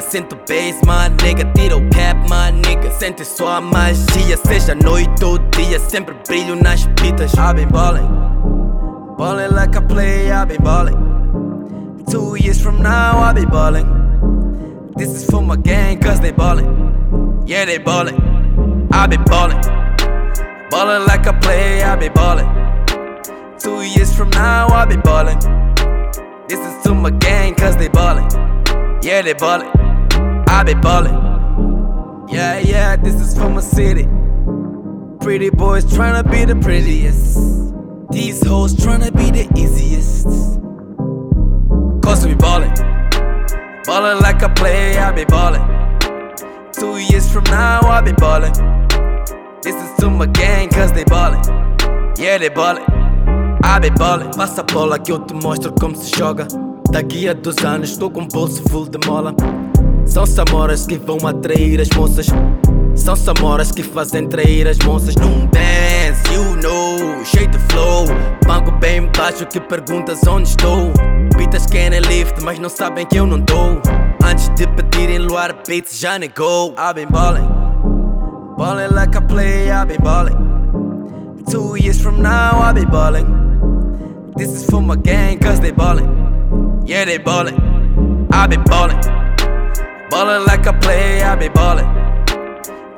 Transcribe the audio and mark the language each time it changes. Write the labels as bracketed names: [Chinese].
[Portuguese] Sinto bass, [English] my nigga, [Portuguese] tira o cap, my nigga. Sente só a magia, seja noite ou dia. Sempre brilho nas pitas. [English] I be ballin', ballin' like I play, I be ballin'. 2 years from now, I be ballin'. This is for my gang, cause they ballin'. Yeah, they ballin'. I be ballin'. Ballin' like I play, I be ballin'. 2 years from now, I be ballin'. This is to my gang, cause they ballin'. Yeah, they ballin'. I be ballin'. Yeah, yeah, this is for my city. Pretty boys tryna be the prettiest. These hoes tryna be the easiest. Cause we ballin'. Ballin' like I play, I be ballin'. 2 years from now, I be ballin'. This is to my gang, cause they ballin'. Yeah, they ballin'. I be ballin'. [Portuguese] Passa a bola que eu te mostro como se joga. Daqui a 2 anos, tô com bolso full de mola. São samoras que vão atrair as moças. São samoras que fazem trair as moças. Num dance, [English] you know, [Portuguese] cheio de flow. Banco bem baixo que perguntas onde estou. Pitas querem lift, mas não sabem que eu não dou. Antes de pedirem luar, beats já negou. [English] I be ballin', ballin' like I play, I be ballin'. 2 years from now, I be ballin'. This is for my gang, cause they ballin'. Yeah, they ballin'. I be ballin'. Ballin' like I play, I be ballin'.